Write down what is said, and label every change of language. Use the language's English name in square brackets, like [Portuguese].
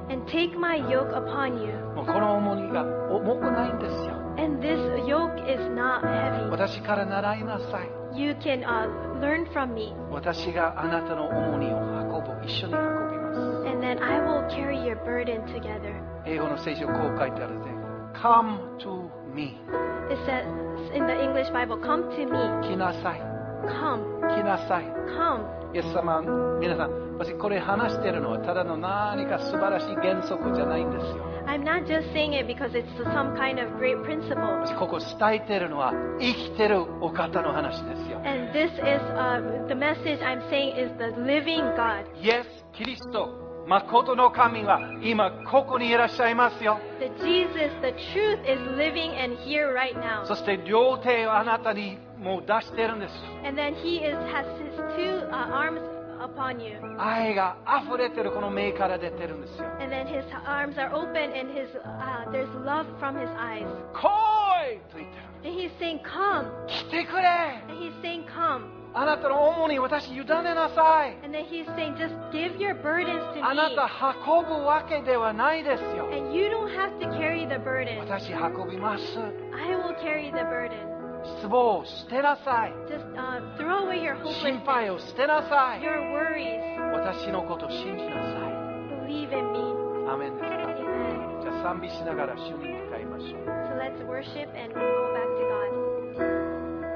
[English] And take my yoke upon you. [Japanese] もうこの重荷が重くないんですよ。 [English] And this yoke is not heavy. [Japanese] 私から習いなさい。 [English] You can, learn from me. [Japanese] 私があなたの重荷を運ぶ、一緒に運びます。 [English] And then I will carry your burden together. [Japanese] 英語の聖書こう書いてあるぜ。 [English] Come to me. It says in the English Bible, come to me. [Japanese] 来なさい。 [English] Come. [Japanese] 来なさい。 [English] Come. [Japanese] イエス様、皆さん、私これ話しているのはただの何か素晴らしい原則じゃないんですよ。 [English] I'm not just saying it because it's some kind of great principle. [Japanese] 私ここ伝えているのは生きているお方の話ですよ。 [English] And this is, the message I'm saying is the living God. [Japanese] Yes, キリスト、真の神は今ここにいらっしゃいますよ。 [English] The Jesus, the truth is living and here right now. [Japanese] そして両手をあなたにもう出してるんです。 [English] And then he is, has his two, arms upon you. [Japanese] 愛が溢れてるこの目から出てるんですよ。 [English] And then his arms are open and his, there's love from his eyes. [Japanese] 来いと言ってる。 [English] And he's saying, come. [Japanese] 来てくれ。 [English] And he's saying, come. [Japanese] あなたの重荷私委ねなさい。 [English] And then he's saying, just give your burdens to me. [Japanese] あなた運ぶわけではないですよ。 [English] And you don't have to carry the burden. [Japanese] 私運びます。 [English] I will carry the burden. [Japanese] 失望を捨てなさい。 [English] Just, throw away your hopeless [Japanese] 心配を捨てなさい。 [English] Your worries. [Japanese] 私のことを信じなさい。 [English] Believe in me. [Japanese] アーメンですか。 [English] Amen. [Japanese] じゃあ賛美しながら主に向かいましょう。 [English] So let's worship and we'll go back to God.